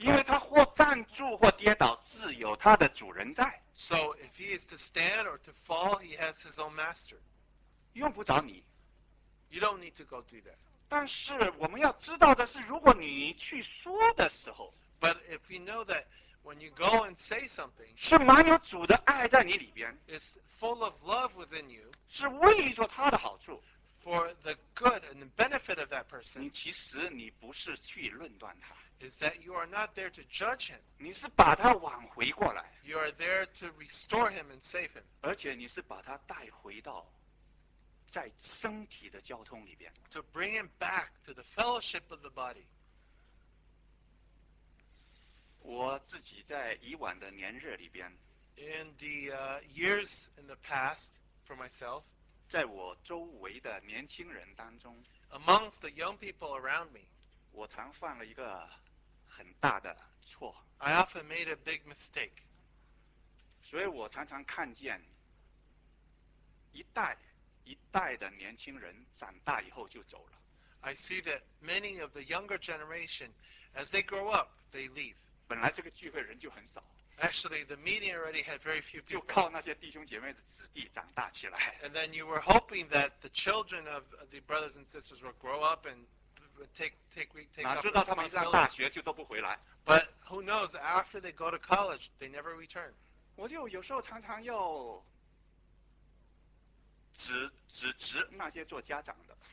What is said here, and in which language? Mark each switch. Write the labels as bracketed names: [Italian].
[Chinese] 因为他或站住或跌倒，自有他的主人在。 [English] So if he is to stand or to fall, he has his own master. [Chinese] 用不着你。 [English] You don't need to go do that. [Chinese] 但是我们要知道的是，如果你去说的时候。 [English] But if you know that when you go and say something, [Chinese] 是满有主的爱在你里边。 [English] It's full of love within you. [Chinese] 是为着他的好处。 [English] For the good and the benefit of that person, [Chinese] 你其实你不是去论断他。 [English] Is that you are not there to judge him. [Chinese] 你是把他挽回过来。 [English] You are there to restore him and save him. [Chinese] 而且你是把他带回到在身体的交通里边。 [English] To bring him back to the fellowship of the body. [Chinese] 我自己在以往的年日里边。 [English] In the years in the past, for myself, [Chinese] 在我周围的年轻人当中 [English] amongst the young people around me [Chinese] 我常犯了一个很大的错 [English] I often made a big mistake [Chinese] 所以我常常看见一代一代的年轻人长大以后就走了 [English] I see that many of the younger generation as they grow up they leave [Chinese] 本来这个聚会人就很少 [English] Actually, the meeting already had very few people. [Chinese] 就靠那些弟兄姐妹的子弟长大起来。 [English] And then you were hoping that the children of the brothers and sisters would grow up and take up. [Chinese] 哪知道他们一上大学就都不回来。 [English] But who knows? After they go to college, they never return. [Chinese] 我就有时候常常要指那些做家长的。